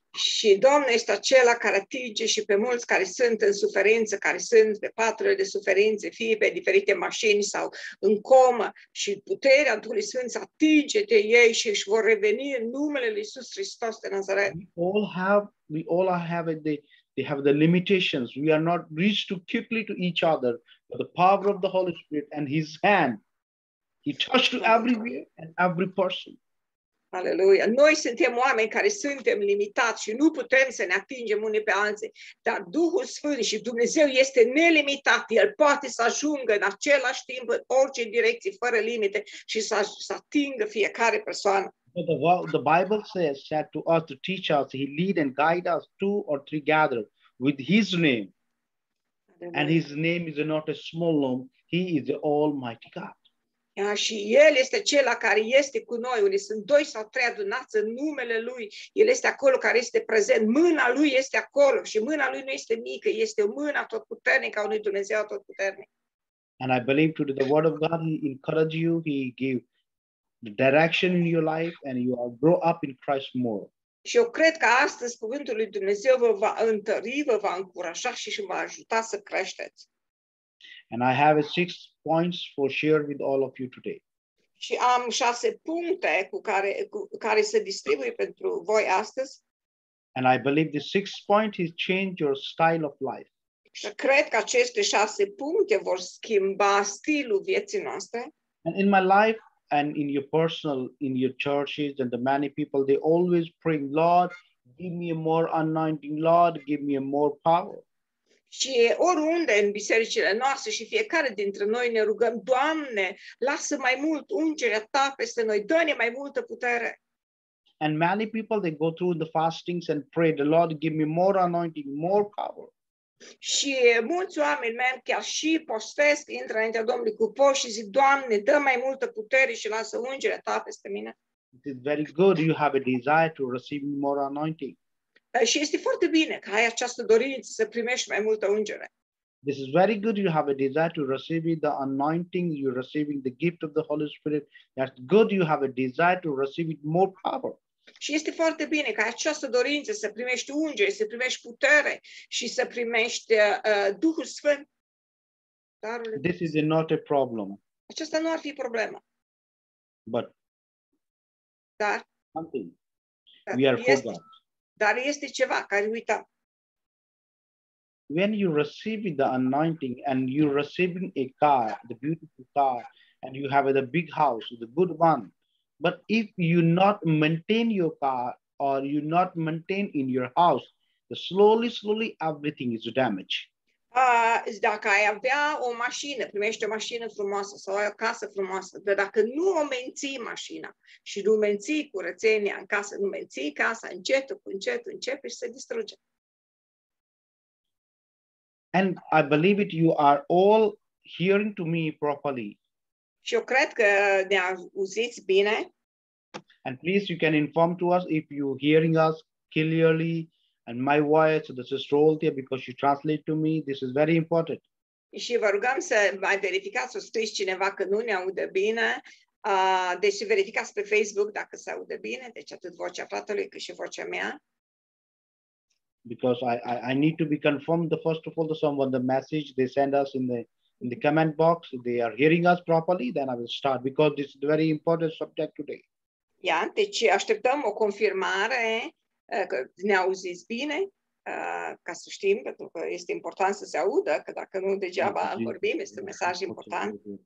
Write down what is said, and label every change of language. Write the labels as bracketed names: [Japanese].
[Romanian] Și Domnul este acela care atinge și pe mulți care sunt în suferință, care sunt pe patrul de suferințe, fie pe diferite mașini sau în comă. Și puterea Duhului Sfânt atinge de ei și își vor reveni în numele lui Iisus Hristos de Nazaret. [English] We all have the limitations. We are not reached too quickly to each other, but the power of the Holy Spirit and His hand, He touched to everywhere and every person. [Romanian] Aleluia. Noi suntem oameni care suntem limitați și nu putem să ne atingem unii pe alții, dar Duhul Sfânt și Dumnezeu este nelimitat. El poate să ajungă în același timp în orice direcție, fără limite, și să atingă fiecare persoană. [English] The Bible says that to us, to teach us, He lead and guide us two or three gathered with His name. And His name is not a small name. He is the Almighty God. [Romanian] Ia, și El este Cel care este cu noi, unde sunt doi sau trei adunați în numele Lui. El este acolo care este prezent. Mâna Lui este acolo și mâna Lui nu este mică, este mâna tot puternică a unui Dumnezeu tot puternic. [English] And I believe through the word of God, He encourage you, He give the direction in your life and you will grow up in Christ more. [Romanian] Și eu cred că astăzi cuvântul lui Dumnezeu vă va întări, vă va încuraja și vă va ajuta să creșteți. [English] And I have 6 points for share with all of you today. [Romanian] Și am 6 puncte cu care se distribuie pentru voi astăzi. [English] And I believe the 6th point is change your style of life. [Romanian] Și cred că aceste 6 puncte vor schimba stilul vieții noastre. [English] And in my life and in your personal, in your churches and the many people, they always pray, Lord, give me a more anointing, Lord, give me a more power. [Romanian] Și oriunde în bisericile noastre și fiecare dintre noi ne rugăm, Doamne, lasă mai mult ungerea Ta peste noi, dă-ne mai multă putere. [English] And many people, they go through the fastings and pray, the Lord, give me more anointing, more power. [Romanian] Și mulți oameni merg chiar și postesc, intră înaintea Domnului cu post și zic, Doamne, dă mai multă putere și lasă ungerea Ta peste mine. [English] It is very good, you have a desire to receive more anointing. [Romanian] Și este foarte bine că ai această dorință să primești mai multă ungere. [English] This is very good. You have a desire to receive the anointing. You're receiving the gift of the Holy Spirit. That's good. You have a desire to receive it more power. [Romanian] Și este foarte bine că ai această dorință să primești ungere, să primești putere și să primești Duhul Sfânt. [English] Darul. This is not a problem. [Romanian] Aceasta nu ar fi problema. [English] But. [Romanian] Dar. [English] Something. We are for God. [Romanian] Dar este ceva care uita. [English] When you receive the anointing and you receiving a car, the beautiful car, and you have the big house, the good one, but if you not maintain your car or you not maintain in your house, slowly everything is damaged. [Romanian] Dacă ai avea o mașină, primești o mașină frumoasă sau ai o casă frumoasă, dar dacă nu o menții mașina și nu menții curățenia în casă, nu menții casa, încetul începi și se distruge. [English] And I believe it, you are all hearing to me properly. [Romanian] Și eu cred că ne auziți bine. [English] And please you can inform to us if you hearing us clearly. And my voice, this is royalty because you translate to me. This is very important. [Romanian] Și vă rugăm să mai verificați, să scrieți cineva că nu ne audă bine. Deci verificați pe Facebook dacă se audă bine. Deci atât vocea fratelui cât și vocea mea. [English] Because I need to be confirmed, the first of all, to someone, the message they send us in the comment box. They are hearing us properly, then I will start. Because this is a very important subject today. [Romanian] Yeah, deci așteptăm o confirmare. Că ne auziți bine, ca să știm, pentru că este important să se audă, că dacă nu degeaba vorbim, este un mesaj important.